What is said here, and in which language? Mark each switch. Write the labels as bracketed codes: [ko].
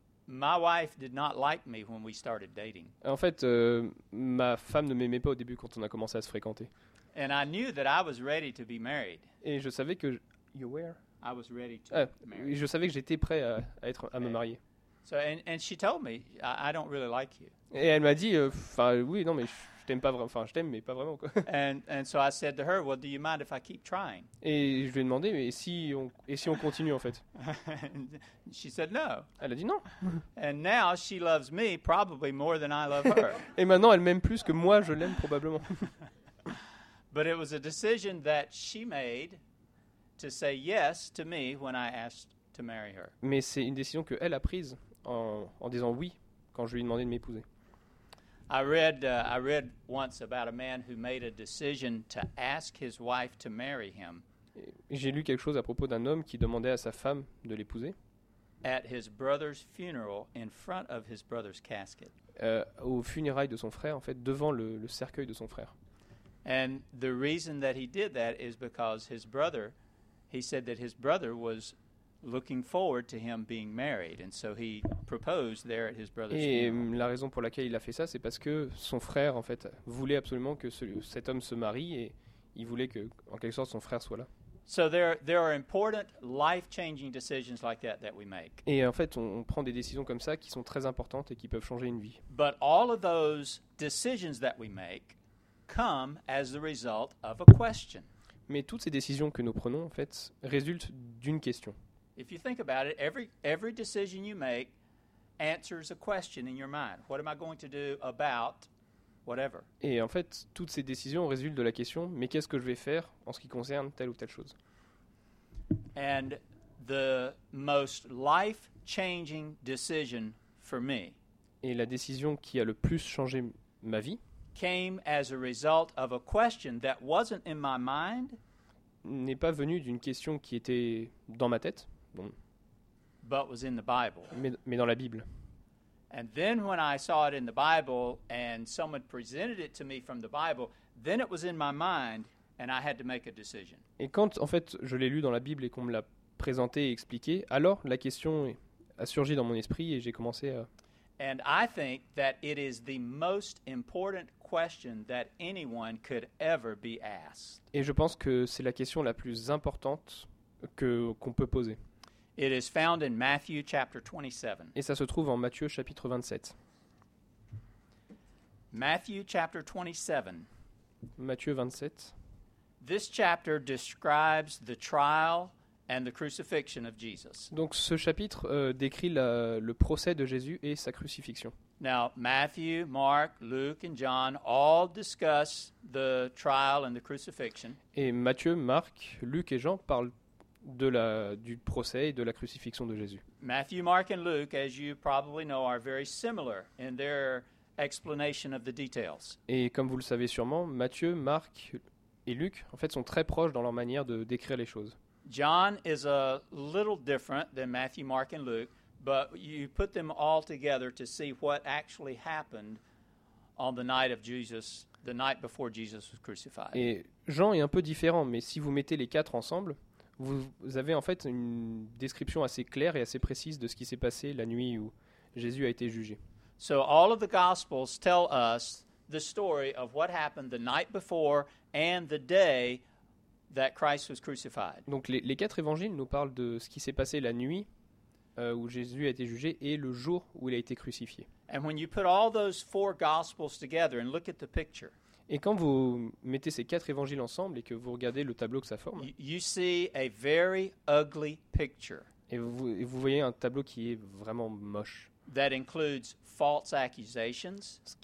[en] My wife did not like me when we started dating. [fr] En fait, ma femme ne m'aimait pas au début quand on a commencé à se fréquenter. [en] And I knew that I was ready to be married. [fr] Et je savais que [en] you were. I was ready to marry. [fr] Je savais que j'étais prêt à me marier. [en] So and she told me I don't really like you. [fr] Et elle m'a dit, oui, non, mais je t'aime pas vraiment. Enfin, je t'aime, mais pas vraiment. Quoi. [en] And so I said to her, well, do you mind if I keep trying? [fr] Et je lui ai demandé, mais si on continue en fait? [en] She said no. [fr] Elle a dit non. [en] And now she loves me probably more than I love her. [fr] Et maintenant, elle m'aime plus que moi, je l'aime probablement. [en] But it was a decision that she made to say yes to me when I asked to marry her. [fr] Mais c'est une décision que elle a prise en disant oui. Quand je lui ai demandé de m'épouser. [en] I read once about a man who made a decision to ask his wife to marry him. [fr] J'ai lu quelque chose à propos d'un homme qui demandait à sa femme de l'épouser. [en] At his brother's funeral in front of his brother's casket. [fr] Au funérailles de son frère, en fait, devant le cercueil de son frère. [en] And the reason that he did that is because his brother, he said that his brother was looking forward to him being married, and so he proposed there at his brother's funeral. [fr] Et la raison pour laquelle il a fait ça, c'est parce que son frère, en fait, voulait absolument que cet homme se marie, et il voulait que, en quelque sorte, son frère soit là. [en] So there are important life-changing decisions like that that we make. [fr] Et en fait, on prend des décisions comme ça qui sont très importantes et qui peuvent changer une vie. [en] But all of those decisions that we make come as the result of a question. [fr] Mais toutes ces décisions que nous prenons, en fait, résultent d'une question. [en] If you think about it, every decision you make answers a question in your mind. What am I going to do about whatever? [fr] Et en fait, toutes ces décisions résultent de la question, mais qu'est-ce que je vais faire en ce qui concerne telle ou telle chose? [en] And the most life-changing decision for me. [fr] Et la décision qui a le plus changé ma vie [en] came as a result of a question that wasn't in my mind. [fr] N'est pas venue d'une question qui était dans ma tête. Bon. [en] But was in the Bible. [fr] Mais dans la Bible. [en] And then when I saw it in the Bible and someone presented it to me from the Bible, then it was in my mind and I had to make a decision. [fr] Et quand en fait je l'ai lu dans la Bible et qu'on me l'a présenté et expliqué, alors la question a surgi dans mon esprit et j'ai commencé à. [en] And I think that it is the most important question that anyone could ever be asked. [fr] Et je pense que c'est la question la plus importante qu'on peut poser. [en] It is found in Matthew chapter 27. [fr] Et ça se trouve en Matthieu chapitre 27. [en] Matthew chapter 27. [fr] Matthieu 27. [en] This chapter describes the trial and the crucifixion of Jesus. [fr] Donc ce chapitre décrit le procès de Jésus et sa crucifixion. [en] Now Matthew, Mark, Luke and John all discuss the trial and the crucifixion. [fr] Et Matthieu, Marc, Luc et Jean parlent du procès et de la crucifixion de Jésus. [en] Matthew, Mark and Luke, as you probably know, are very similar in their explanation of the details. [fr] Et comme vous le savez sûrement, Matthieu, Marc et Luc en fait sont très proches dans leur manière de décrire les choses. [en] John is a little different than Matthew, Mark and Luke, but you put them all together to see what actually happened on the night of Jesus, the night before Jesus was crucified. [fr] Et Jean est un peu différent, mais si vous mettez les quatre ensemble, vous avez en fait une description assez claire et assez précise de ce qui s'est passé la nuit où Jésus a été jugé. [en] So all of the gospels tell us the story of what happened the night before and the day that Christ was crucified. [fr] Donc les quatre évangiles nous parlent de ce qui s'est passé la nuit où Jésus a été jugé et le jour où il a été crucifié. [en] And when you put all those four gospels together and look at the picture. [fr] Et quand vous mettez ces quatre évangiles ensemble et que vous regardez le tableau que ça forme. [en] You see a very ugly picture. [fr] Et vous voyez un tableau qui est vraiment moche. [en] That includes false accusations.